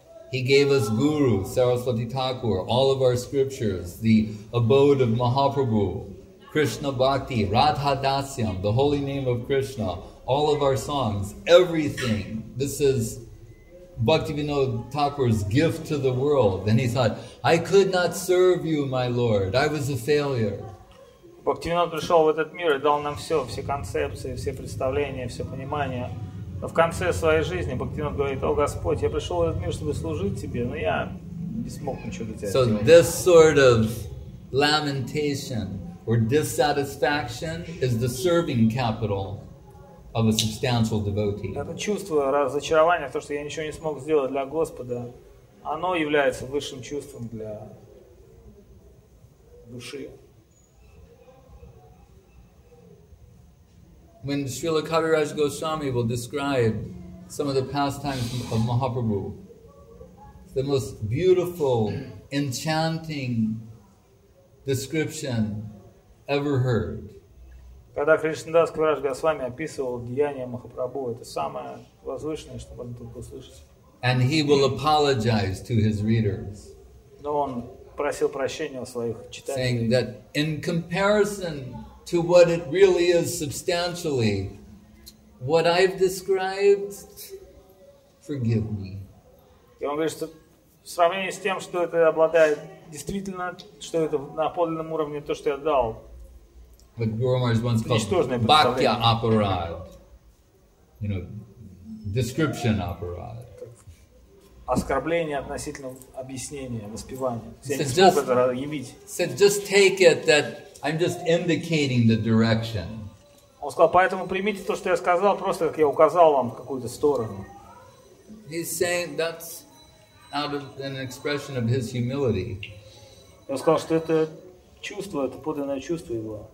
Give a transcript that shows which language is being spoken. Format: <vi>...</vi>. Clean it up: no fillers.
<en>He gave us Guru, Saraswati Thakur, all of our scriptures, the abode of Mahaprabhu, Krishna Bhakti, Radha Dasyam, the holy name of Krishna, all of our songs, everything. This is Bhaktivinoda Thakur's gift to the world. Then he thought, I could not serve you, my lord. I was a failure.</en> <ru>Bhaktivinoda пришел в этот мир и дал нам все, все концепции, все представления, все понимания. Но в конце своей жизни Бхактивинода говорит, о Господь, я пришел в этот мир, чтобы служить тебе, но я не смог ничего для тебя сделать.</ru> <en>So this sort of lamentation or dissatisfaction is the serving capital of a substantial devotee.</en> <ru>Это чувство разочарования, то, что я ничего не смог сделать для Господа, оно является высшим чувством для души.</ru> <en>When Srila Kaviraj Goswami will describe some of the pastimes of Mahaprabhu, the most beautiful, enchanting description ever heard.</en> <ru>Когда Кришнадас Кавираджа Госвами описывал деяния Махапрабху, это самое возвышенное, что можно только услышать.</ru> <en>And he will apologize to his readers.</en> <ru>Но он просил прощения у своих читателей.</ru> <en>Saying that in comparison to what it really is substantially, what I've described, forgive me.</en> <ru>И он говорит, что в сравнении с тем, что это обладает действительно, что это на подлинном уровне то, что я дал.</ru> <en>But Guru Maharaj once called Bhakya Aparad, you know, description Aparad.</en> <ru>Оскорбление относительно объяснения, воспевания.</ru> <en>Said just take it that I'm just indicating the direction.</en> <ru>Он сказал, поэтому примите то, что я сказал, просто как я указал вам какую-то сторону.</ru> <en>He's saying that's out of an expression of his humility.</en> <ru>Он сказал, что это чувство, это подлинное чувство его.</ru>